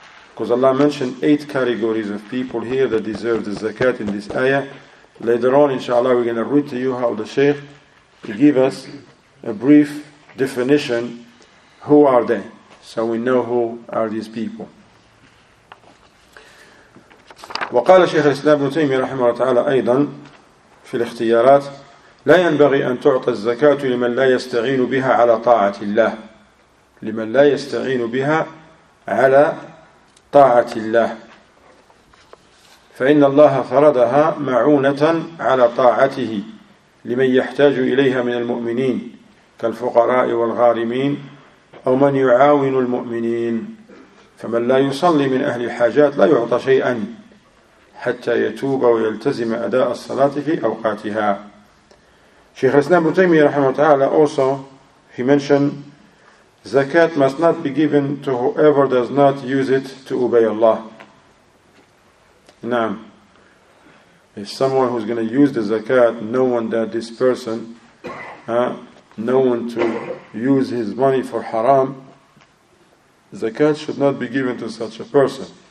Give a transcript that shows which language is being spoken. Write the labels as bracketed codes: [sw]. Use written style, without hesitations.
[en] Because Allah mentioned 8 categories of people here that deserve the zakat in this ayah. Later on, insha'Allah, we're going to read to you how the Shaykh give us a brief definition, who are they? So we know who are these people. [ar] وقال شيخ الإسلام ابن تيمية رحمه الله تعالى أيضا في الاختيارات لا ينبغي أن تعطى الزكاة لمن لا يستعين بها على طاعة الله لمن لا يستعين بها على طاعة الله، فإن الله فرضها معونة على طاعته لمن يحتاج إليها من المؤمنين كالفقراء والغارمين أو من يعاون المؤمنين. فمن لا يصلي من أهل الحاجات لا يعطى شيئا حتى يتوب ويلتزم أداء الصلاة في أوقاتها. شيخ الإسلام ابن تيمية رحمه تعالى [en] also he mentioned zakat must not be given to whoever does not use it to obey Allah. Naam. If someone who's going to use the zakat, knowing that this person, knowing to use his money for haram, zakat should not be given to such a person.